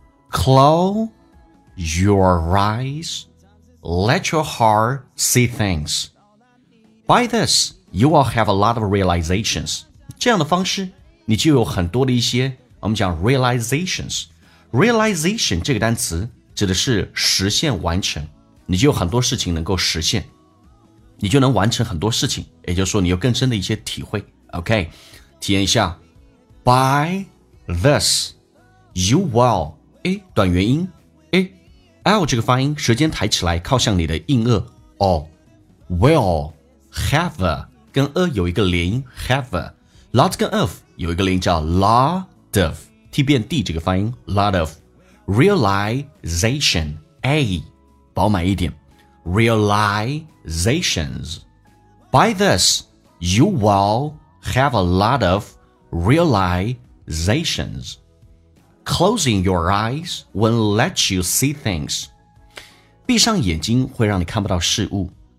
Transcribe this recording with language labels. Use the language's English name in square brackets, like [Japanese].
[English] Close your eyes, let your heart see things. By this, you will have a lot of realizations. [Chinese] 这样的方式你就有很多的一些，我们讲 realizations. Realization 这个单词指的是实现完成，你就有很多事情能够实现，你就能完成很多事情，也就是说你有更深的一些体会。 OK, 体验一下。 [English] By this, you will, [Chinese] A 短元音， A L 这个发音，舌尖抬起来靠向你的硬腭， [English] or will have a, [Chinese] 跟 a 有一个连音， [English] have a lot [Chinese] 跟 of 有一个连音叫 lot of, T 变 D 这个发音， [English] lot of realization, [Chinese] A 饱满一点，realizations. [English] By this, you will have a lot of realizations. Closing your eyes won't let you see things. [Chinese] 闭上眼睛会让你看不到事物。